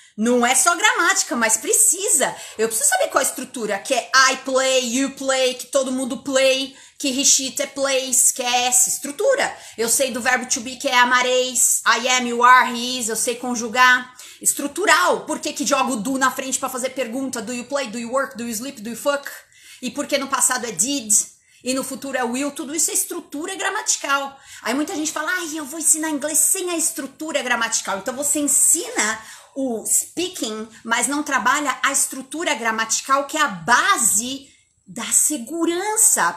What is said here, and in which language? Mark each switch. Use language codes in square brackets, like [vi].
[pt] Não é só gramática, mas precisa. Eu preciso saber qual a estrutura, que é [en] I play, you play, [pt] que todo mundo play, que [en] he, she, it, plays, [pt] que é essa estrutura. Eu sei do verbo to be, que é amareis, [en] I am, you are, he is, [pt] eu sei conjugar. Estrutural, por que que jogo do na frente pra fazer pergunta? [en] Do you play, do you work, do you sleep, do you fuck? [pt] E por que no passado é did? E no futuro é will, tudo isso é estrutura gramatical. Aí muita gente fala, ai, eu vou ensinar inglês sem a estrutura gramatical. Então você ensina o speaking, mas não trabalha a estrutura gramatical, que é a base da segurança.